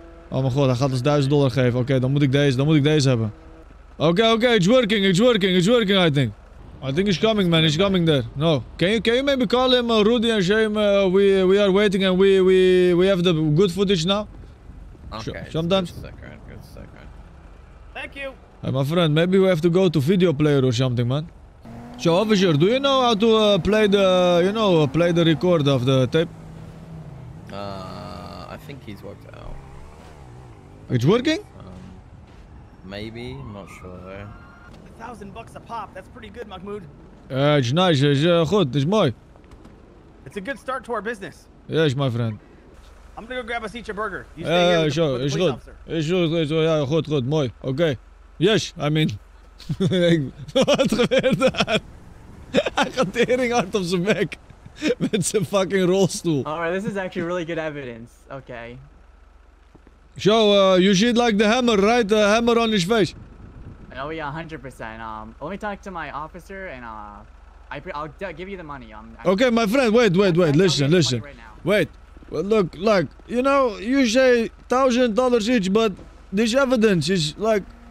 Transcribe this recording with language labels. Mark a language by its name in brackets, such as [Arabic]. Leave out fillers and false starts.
[Dutch] Oh mijn God, hij gaat ons $1,000 geven. Okay, dan moet ik deze hebben. [English] Okay, it's working, I think he's coming, man. He's coming there. No. Can you maybe call him Rudy and show him we are waiting and we have the good footage now? Okay. Sometimes. Good second. Thank you. Hey, my friend, maybe we have to go to video player or something, man. So, officer, do you know how to play the record of the tape? I think he's worked it out. It's working? Maybe, not sure. $1,000 a pop, that's pretty good, Mahmud. It's nice, it's good, it's mooi. It's a good start to our business. Yes, my friend. I'm gonna go grab us each a burger. Sure, it's good. Yeah, good, mooi. Okay. Yes, I mean. [Dutch] Wat gebeurt daar? Hij gaat tering hard op zijn bek. Met zijn fucking rolstoel. [English] Alright, this is actually really good evidence. Okay. So, you see it like the hammer, right? The hammer on his face. Oh yeah, 100%. Let me talk to my officer and I'll give you the money. Okay, my friend, wait, listen. Right now. Wait, look, like, you know, you say $1,000 each, but this evidence is like...